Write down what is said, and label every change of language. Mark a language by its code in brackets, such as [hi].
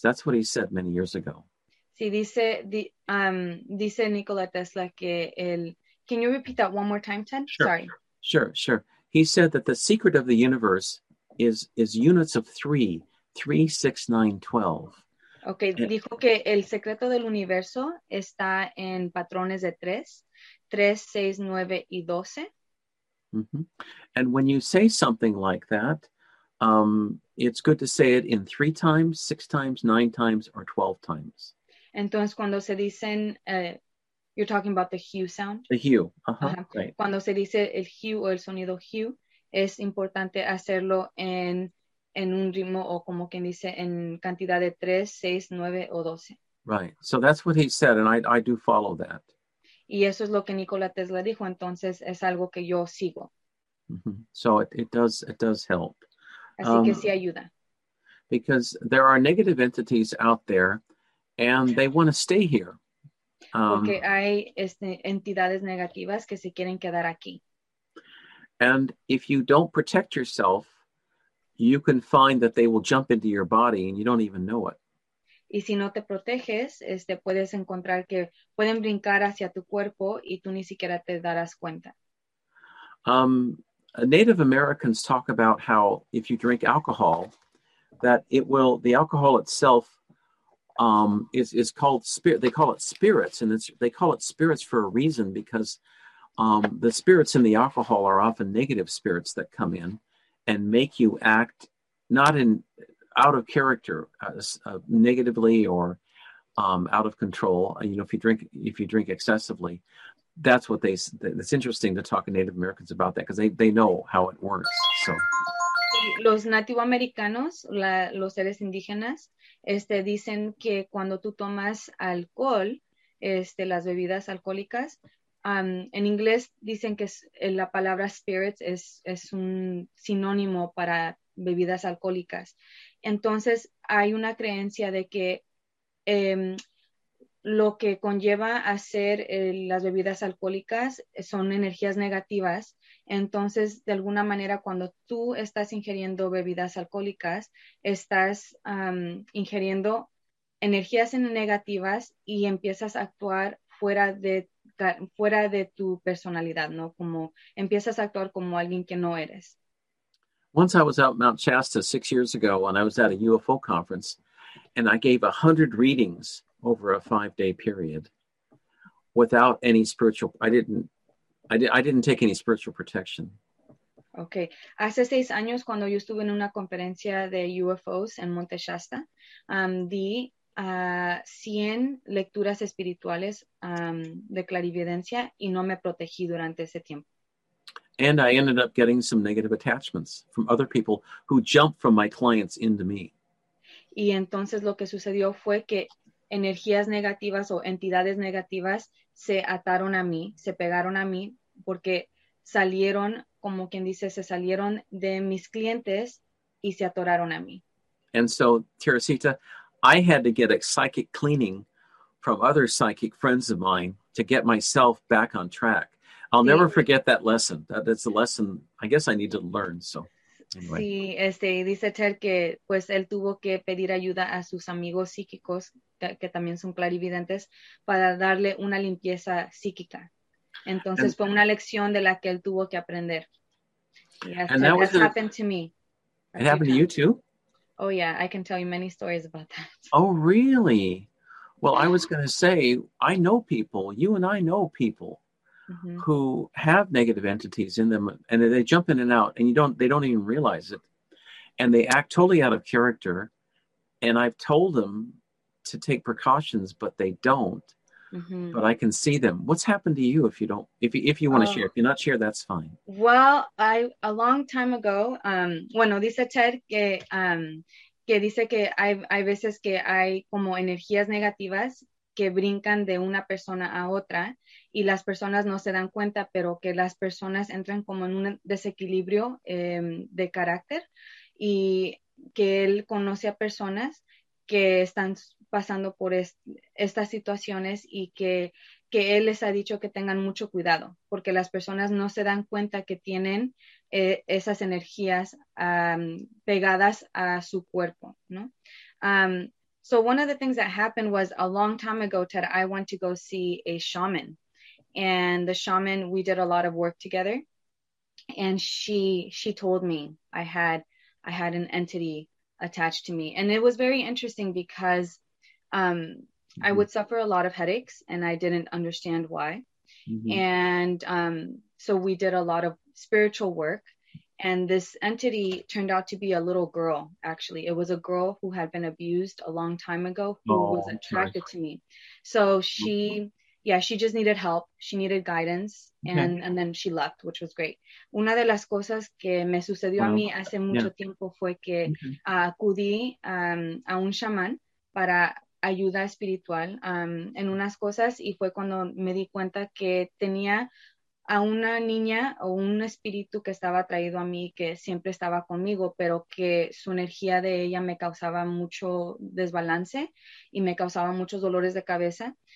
[en] That's what he said many years ago. [es] Sí, dice Nikola Tesla que el... [en] Can you repeat that one more time, Ted? Sure. Sorry. Sure. He said that the secret of the universe is units of 3, 3, 6, 9, 12. [es] Okay, dijo que el secreto del universo está en patrones de 3, 6, 9, y 12. Mm-hmm. [en] And when you say something like that, it's good to say it in 3 times, 6 times, 9 times, or 12 times. [es] Entonces, cuando se dicen, [en] you're talking about the hue sound? The hue, uh-huh. Right. [es] Cuando se dice el hue o el sonido hue, es importante hacerlo en un ritmo o como quien dice, en cantidad de 3, 6, 9, o 12. [en] Right. So that's what he said, and I do follow that. [es] Y eso es lo que Nikola Tesla dijo, entonces es algo que yo sigo. [en] Mm-hmm. So it does help. [es] Así que sí ayuda. [en] Because there are negative entities out there, and they want to stay here. [es] Porque hay entidades negativas que se quieren quedar aquí. [en] And if you don't protect yourself, you can find that they will jump into your body and you don't even know it. [es] Y si no te proteges, puedes encontrar que pueden brincar hacia tu cuerpo y tú ni siquiera te darás cuenta. [en] Native Americans talk about how if you drink alcohol, that it will, the alcohol itself is called spirit. They call it spirits, and it's, they call it spirits for a reason, because the spirits in the alcohol are often negative spirits that come in and make you act not in out of character, negatively or out of control. You know, if you drink excessively, that's what they. It's interesting to talk to Native Americans about that, because they know how it works. So. [es] Los nativo americanos, los seres indígenas, dicen que cuando tú tomas alcohol, las bebidas alcohólicas, en inglés dicen que la palabra spirits es un sinónimo para bebidas alcohólicas. Entonces, hay una creencia de que lo que conlleva a ser las bebidas alcohólicas son energías negativas. Entonces, de alguna manera, cuando tú estás ingiriendo bebidas alcohólicas, estás ingiriendo energías negativas y empiezas a actuar fuera de tu personalidad, ¿no? Como empiezas a actuar como alguien que no eres. [en] Once I was out in Mount Shasta 6 years ago, and I was at a UFO conference, and I gave 100 readings over a 5-day period without any spiritual, I didn't take any spiritual protection. Okay. [es] Hace 6 años, cuando yo estuve en una conferencia de UFOs en Monte Shasta, di 100 lecturas espirituales de clarividencia y no me protegí durante ese tiempo. [en] And I ended up getting some negative attachments from other people who jumped from my clients into me. [es] Y entonces lo que sucedió fue que energías negativas o entidades negativas se ataron a mí, se pegaron a mí, porque salieron, como quien dice, se salieron de mis clientes y se atoraron a mí. [en] And so, Teresita, I had to get a psychic cleaning from other psychic friends of mine to get myself back on track. I'll never forget that lesson. That's a lesson I guess I need to learn. So, anyway. [es] Sí, dice Ter que pues él tuvo que pedir ayuda a sus amigos psíquicos que también son clarividentes para darle una limpieza psíquica. Entonces fue una lección de la que él tuvo que aprender. [en] And that was happened to me. It happened to you too? Oh yeah, I can tell you many stories about that. Oh really? Well, I was going to say, I know people, you and I know people. Mm-hmm. Who have negative entities in them, and they jump in and out, and they don't even realize it, and they act totally out of character, and I've told them to take precautions, but they don't. Mm-hmm. But I can see them. What's happened to you? If you want to share, if you're not sure, that's fine. Well, a long time ago, [es] dice Ted que dice que hay veces que hay como energías negativas que brincan de una persona a otra y las personas no se dan cuenta, pero que las personas entran como en un desequilibrio de carácter, y que él conoce a personas que están pasando por estas situaciones y que él les ha dicho que tengan mucho cuidado, porque las personas no se dan cuenta que tienen esas energías pegadas a su cuerpo, ¿no? [en] So one of the things that happened was a long time ago, Ted, I went to go see a shaman, and the shaman, we did a lot of work together, and she told me I had an entity attached to me. And it was very interesting because mm-hmm. I would suffer a lot of headaches and I didn't understand why. Mm-hmm. And so we did a lot of spiritual work. And this entity turned out to be a little girl, actually. It was a girl who had been abused a long time ago who was attracted to me. So she just needed help. She needed guidance. And okay. And then she left, which was great. [es] Una de las cosas que me sucedió a mí hace mucho tiempo fue que acudí a un chamán para ayuda espiritual en unas cosas. Y fue cuando me di cuenta que tenía a una niña o un espíritu que estaba traído a mí, que siempre estaba conmigo, pero que su energía de ella me causaba mucho desbalance y me causaba muchos dolores de cabeza.